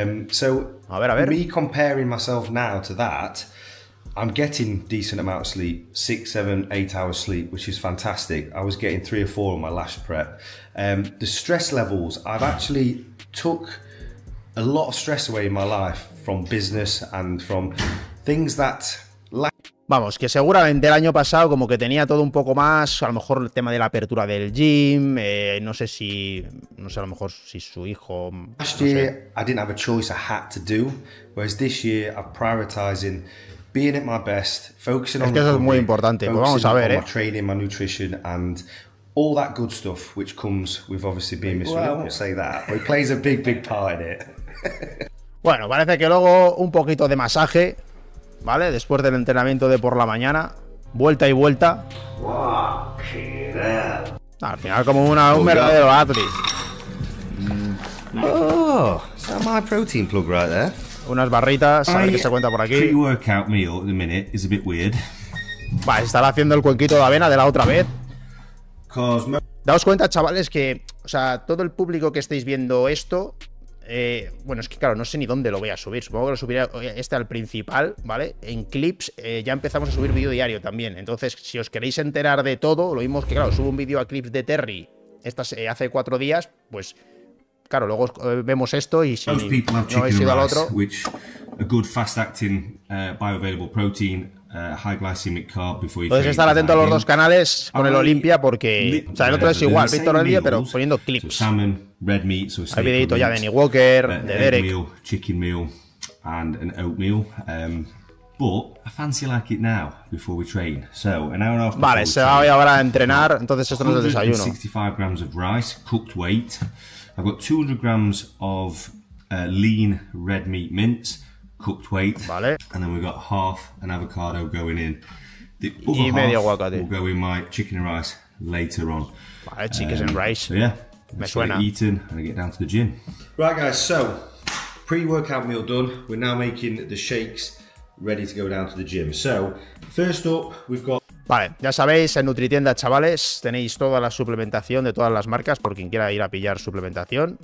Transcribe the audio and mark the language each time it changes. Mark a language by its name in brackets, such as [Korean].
[English] So, me comparing myself now to that, I'm getting decent amount of sleep, 6, 7, 8 hours sleep, which is fantastic. I was getting 3 or 4 on my last prep. The stress levels, I've actually took a lot of stress away in my life from business and from things that... [Spanish] Vamos, que seguramente el año pasado como que tenía todo un poco más, a lo mejor el tema de la apertura del gym, no sé si su hijo... [English] Last year I didn't have a choice, I had to do, whereas this year I'm prioritizing being at my best, focusing on... [Spanish] Es que eso es muy importante, pues vamos a ver, [English] my training, my nutrition and all that good stuff which comes with obviously being Mr. Olympia. Well, say that, but it plays a big, big part in it. [Spanish] Bueno, parece que luego un poquito de masaje... ¿Vale? Después del entrenamiento de por la mañana, vuelta y vuelta. Al final como un verdadero atleta. [English] Oh, is that my protein plug right there? [Spanish] Unas barritas, a ver qué se cuenta por aquí. [English] Pre-workout meal at the minute is a bit weird. [Spanish] Vale, estará haciendo el cuenquito de avena de la otra vez. Daos cuenta, chavales, que, o sea, todo el público que estáis viendo esto, bueno, es que claro, no sé ni dónde lo voy a subir. Supongo que lo subiré este al principal, ¿vale? En clips ya empezamos a subir vídeo diario también. Entonces, si os queréis enterar de todo, lo mismo que claro, subo un vídeo a clips de Terry hace 4 días, pues claro, luego vemos esto y si no habéis ido al otro. [English] Which a good fast acting bioavailable protein. High glycemic carb before you. [Spanish] Entonces estar atento a los dos canales con el Olympia porque, o sea, el otro es igual, Víctor Olivia, pero poniendo clips. [English] So salmon, red meat, so [Spanish] el videito ya de Nick Walker, de Derek. [English] Meal, chicken meal and an oatmeal. But I fancy like it now before we train. So an hour after. [Spanish] Vale, se va ahora a entrenar, entonces esto no es el desayuno. [English] 65 grams of rice, cooked weight. I've got 200 grams of lean red meat mince. Cooked weight, [Spanish] vale. [English] And then we got half an avocado going in. The other half aguacate will go in my chicken and rice later on. Vale, chicken and rice. So yeah, [Spanish] me suena. [English] Eating and I get down to the gym. Right, guys. So pre-workout meal done. We're now making the shakes, ready to go down to the gym. So first up, we've got. [Spanish] Vale, ya sabéis, en Nutritienda, chavales, tenéis toda la suplementación de todas las marcas por quien quiera ir a pillar suplementación.